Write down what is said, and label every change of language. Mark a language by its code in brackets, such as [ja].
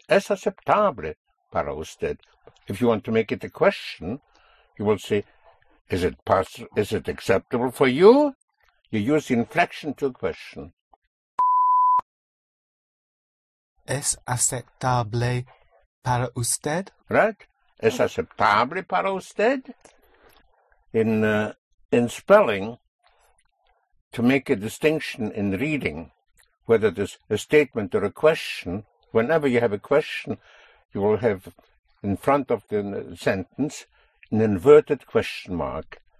[es] Es aceptable para usted. [en] If you want to make it a question, you will say, is it acceptable for you? You use the inflection to a question. [es] Es aceptable para usted? [en] Right. [es] Es aceptable para usted? [en] In spelling, to make a distinction in reading, whether it is a statement or a question, whenever you have a question, you will have in front of the sentence an inverted question mark.